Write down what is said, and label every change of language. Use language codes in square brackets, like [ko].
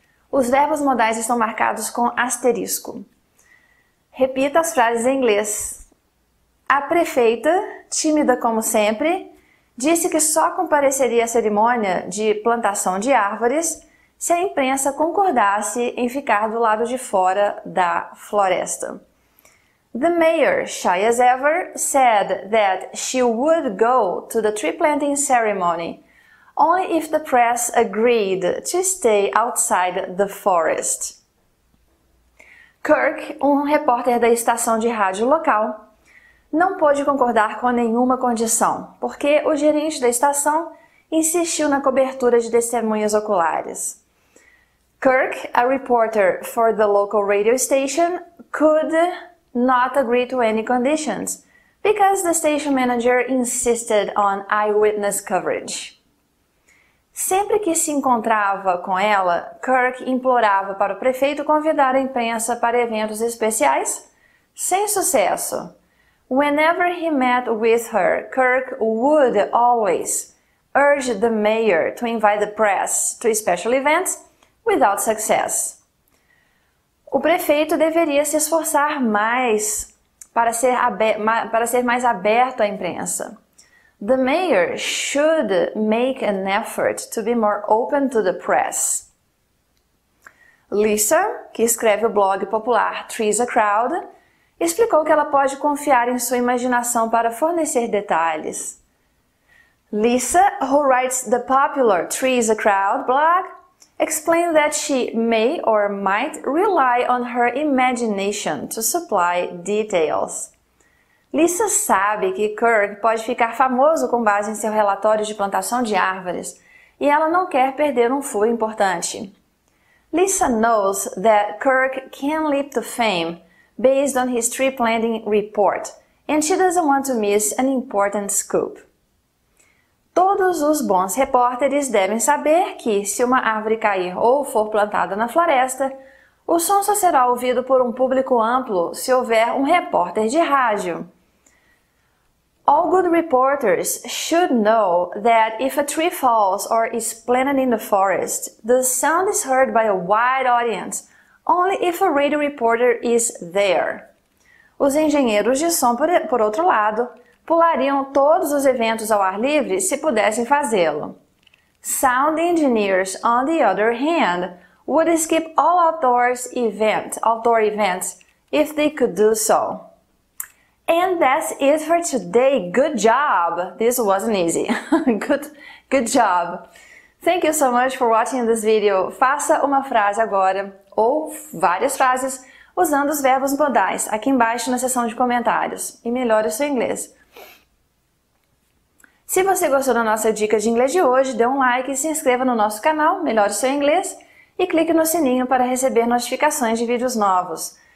[pt] Os verbos modais estão marcados com asterisco. Repita as frases em inglês. A prefeita, tímida como sempre, disse que só compareceria à cerimônia de plantação de árvores se a imprensa concordasse em ficar do lado de fora da floresta. [en] The mayor, shy as ever, said that she would go to the tree planting ceremony only if the press agreed to stay outside the forest. [pt] Kirk, um repórter da estação de rádio local, não pôde concordar com nenhuma condição, porque o gerente da estação insistiu na cobertura de testemunhas oculares. [en] Kirk, a reporter for the local radio station, could not agree to any conditions, because the station manager insisted on eyewitness coverage. [pt] Sempre que se encontrava com ela, Kirk implorava para o prefeito convidar a imprensa para eventos especiais, sem sucesso. [en] Whenever he met with her, Kirk would always urge the mayor to invite the press to special events without success. [pt] O prefeito deveria se esforçar mais para ser mais aberto à imprensa. [en] The mayor should make an effort to be more open to the press. [pt] Lisa, que escreve o blog popular Trees a Crowd, explicou que ela pode confiar em sua imaginação para fornecer detalhes. [en] Lisa, who writes the popular Trees a Crowd blog, explained that she may or might rely on her imagination to supply details. [pt] Lisa sabe que Kirk pode ficar famoso com base em seu relatório de plantação de árvores e ela não quer perder um furo importante. [en] Lisa knows that Kirk can leap to fame based on his tree planting report, and she doesn't want to miss an important scoop. [pt] Todos os bons repórteres devem saber que, se uma árvore cair ou for plantada na floresta, o som só será ouvido por um público amplo se houver um repórter de rádio. [en] All good reporters should know that if a tree falls or is planted in the forest, the sound is heard by a wide audience only if a radio reporter is there. [pt] Os engenheiros de som, por outro lado, pulariam todos os eventos ao ar livre se pudessem fazê-lo. [en] Sound engineers, on the other hand, would skip all outdoor events, if they could do so. And that's it for today. Good job! This wasn't easy. Good job! Thank you so much for watching this video. [pt] Faça uma frase agora, ou várias frases, usando os verbos modais, aqui embaixo na seção de comentários. E melhore o seu inglês. Se você gostou da nossa dica de inglês de hoje, dê um like e se inscreva no nosso canal, Melhore o Seu Inglês, e clique no sininho para receber notificações de vídeos novos.